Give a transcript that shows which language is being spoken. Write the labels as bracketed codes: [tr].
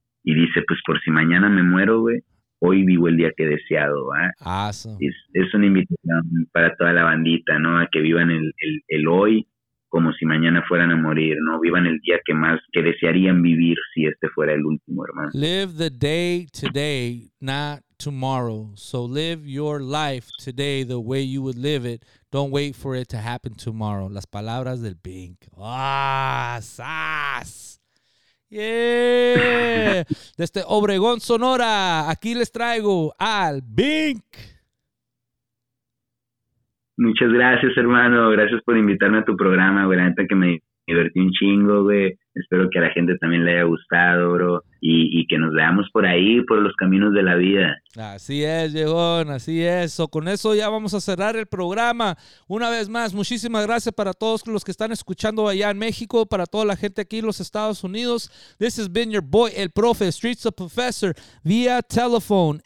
[es] Y dice, pues por si mañana me muero, güey, hoy vivo el día que he deseado, ¿eh? [en] Awesome. [es] Es una invitación para toda la bandita, ¿no? A que vivan el hoy como si mañana fueran a morir, ¿no? Vivan el día que más, que desearían vivir si este fuera el último, hermano. [en] Live the day today, not tomorrow. So live your life today the way you would live it. Don't wait for it to happen tomorrow. [es] Las palabras del Bink. ¡Ah, sas! ¡Yeah! Desde Obregón, Sonora, aquí les traigo al Bink. Muchas gracias, hermano. Gracias por invitarme a tu programa, güey. La neta que me divertí un chingo, güey. Espero que a la gente también le haya gustado, bro. Y que nos veamos por ahí, por los caminos de la vida. Así es, viejón. Así es. So, con eso ya vamos a cerrar el programa. Una vez más, muchísimas gracias para todos los que están escuchando allá en México, para toda la gente aquí en los Estados Unidos. [en] This has been your boy, el profe, Streets of Professor, vía telephone.